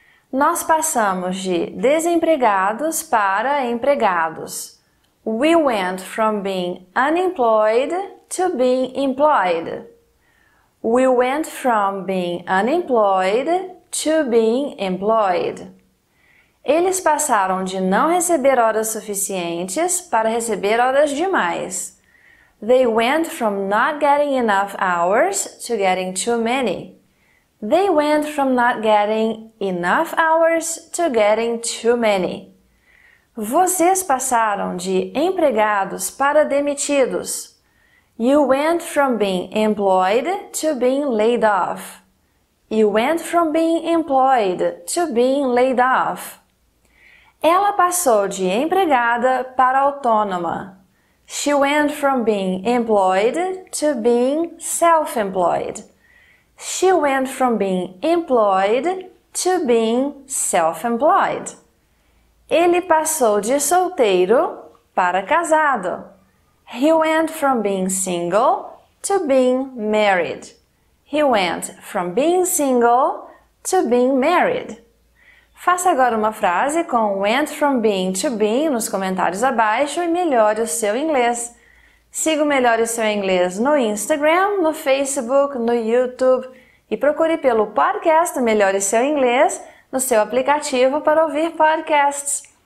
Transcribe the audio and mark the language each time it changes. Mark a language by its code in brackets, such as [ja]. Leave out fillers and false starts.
[pt] Nós passamos de desempregados para empregados. [en] We went from being unemployed to being employed. We went from being unemployed to being employed. [pt] Eles passaram de não receber horas suficientes para receber horas demais. [en] They went from not getting enough hours to getting too many. They went from not getting enough hours to getting too many. [pt] Vocês passaram de empregados para demitidos. [en] You went from being employed to being laid off. You went from being employed to being laid off. [pt] Ela passou de empregada para autônoma. [en] She went from being employed to being self-employed. She went from being employed to being self-employed. [pt] Ele passou de solteiro para casado. [en] He went from being single to being married. He went from being single to being married. [pt] Faça agora uma frase com went from being to being nos comentários abaixo e melhore o seu inglês. Siga o Melhore o Seu Inglês no Instagram, no Facebook, no YouTube e procure pelo podcast Melhore o Seu Inglês no seu aplicativo para ouvir podcasts.